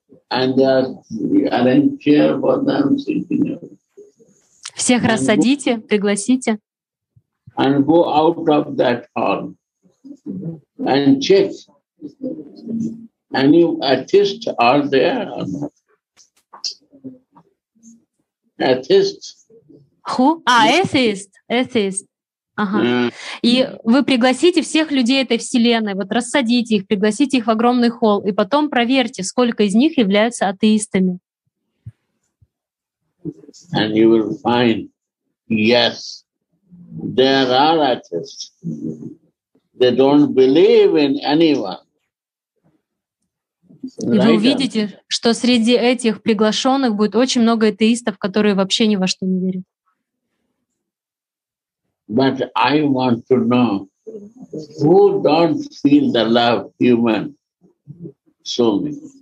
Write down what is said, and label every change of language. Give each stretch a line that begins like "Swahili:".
English: And they are arranged here for them sitting here.
Russian: Всех рассадите, пригласите.
English: And go out of that hall. And check. Any atheists are there or not? Atheists. Who? Atheists. Ага.
Russian: И вы пригласите всех людей этой вселенной, вот рассадите их, пригласите их в огромный холл, и потом проверьте, сколько из них являются атеистами.
English: And you will find, yes, there are atheists. They don't believe in anyone.
Russian: И вы увидите, что среди этих приглашенных будет очень много атеистов, которые вообще ни во что не верят.
English: But I want to know who don't feel the love human so many.